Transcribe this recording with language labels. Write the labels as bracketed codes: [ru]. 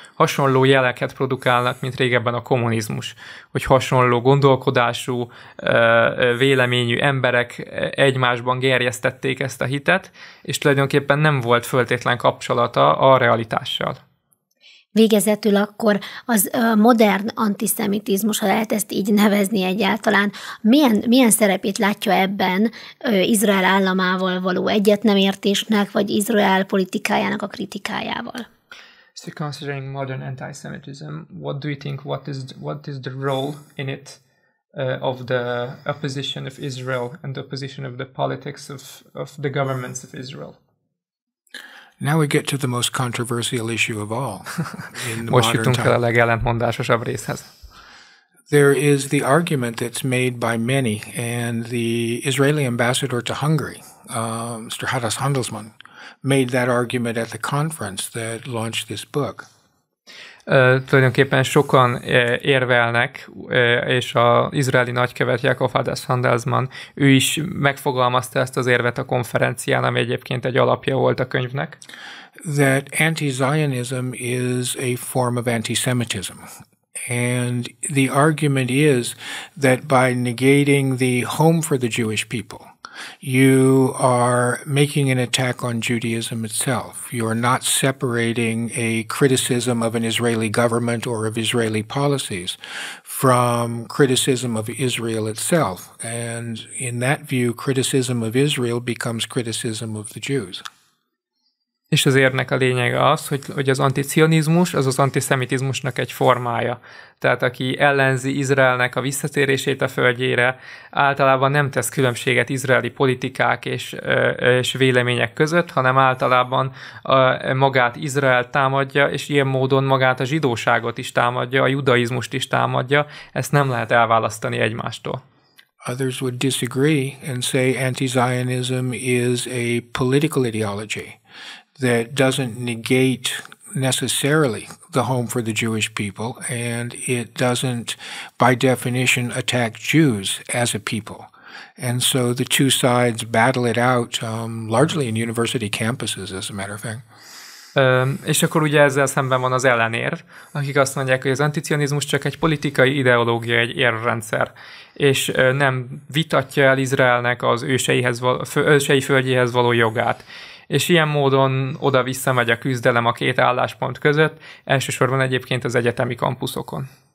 [hu] Hasonló jeleket produkálnak, mint régebben a kommunizmus, hogy hasonló gondolkodású, véleményű emberek egymásban gerjesztették ezt a hitet, és tulajdonképpen nem volt föltétlen kapcsolata a realitással. Végezetül akkor az modern antiszemitizmus, ha lehet ezt így nevezni egyáltalán, milyen szerepét látja ebben Izrael államával való egyetnemértésnek, vagy Izrael politikájának a kritikájával? [en] So considering modern antisemitism, what do you think, what is the role in it of the opposition of Israel and the opposition of the politics of the governments of Israel? Now we get to the most controversial issue of all in the modern time. [hu] A legellentmondásosabb részhez. [en] There is the argument that's made by many, and the Israeli ambassador to Hungary, Mr. Haras Handelsman, made that argument at the conference that launched this book. [hu] Tulajdonképpen sokan érvelnek, és az izraeli nagykövet Jakob Hadass Handelsman, ő is megfogalmazta ezt az érvet a konferencián, ami egyébként egy alapja volt a könyvnek. [en] That anti-Zionism is a form of antisemitism. And the argument is that by negating the home for the Jewish people, you are making an attack on Judaism itself. You are not separating a criticism of an Israeli government or of Israeli policies from criticism of Israel itself. And in that view, criticism of Israel becomes criticism of the Jews. [hu] És az érvnek a lényege az, hogy az anticionizmus az antiszemitizmusnak egy formája. Tehát aki ellenzi Izraelnek a visszatérését a földjére, általában nem tesz különbséget izraeli politikák és vélemények között, hanem általában magát Izrael támadja, és ilyen módon magát a zsidóságot is támadja, a judaizmust is támadja, ezt nem lehet elválasztani egymástól. [en] Others would disagree and say anti-Zionism is a political ideology that doesn't negate necessarily the home for the Jewish people, and it doesn't, by definition, attack Jews as a people. And so the two sides battle it out, largely in university campuses, as a matter of fact. [hu] És akkor ugye ezzel szemben van az ellenérv, akik azt mondják, hogy az anticionizmus csak egy politikai ideológia, egy érvrendszer, és nem vitatja el Izraelnek az ősei földjéhez való jogát. És ilyen módon oda-vissza megy a küzdelem a két álláspont között, elsősorban egyébként az egyetemi kampuszokon.